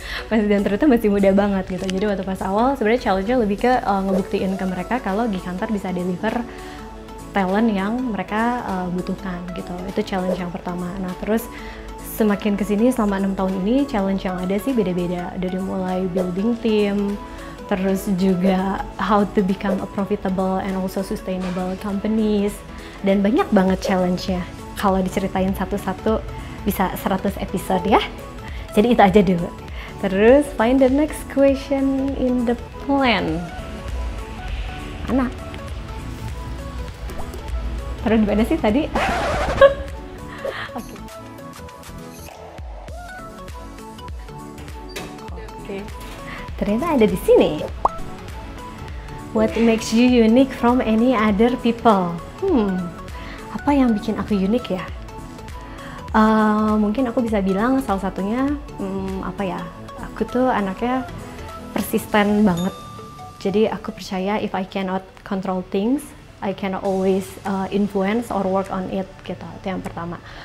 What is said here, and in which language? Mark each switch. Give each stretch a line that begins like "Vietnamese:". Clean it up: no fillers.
Indonesian: Dan ternyata masih muda banget gitu. Jadi waktu pas awal sebenarnya challenge-nya lebih ke ngebuktiin ke mereka kalau Geek Hunter bisa
English: deliver talent
Indonesian: yang mereka butuhkan gitu. Itu challenge yang pertama. Nah, terus semakin kesini selama 6 tahun ini, challenge yang ada sih beda-beda. Dari mulai
English: building team,
Indonesian: terus juga
English: how to become a profitable and also sustainable companies.
Indonesian: Dan banyak banget challenge-nya. Kalau diceritain satu-satu bisa 100 episode ya. Jadi itu aja dulu. Terus
English: find the next question in the plan.
Indonesian: Anak. Taruh di mana sih tadi? Okay. Ternyata ada di sini.
English: What makes you unique from any other people?
Indonesian: Apa yang bikin aku unik ya? Mungkin aku bisa bilang salah satunya, aku tuh anaknya persisten banget. Jadi aku percaya
English: if I cannot control things, I cannot always influence or work on it.
Indonesian: Gitu. Itu yang pertama.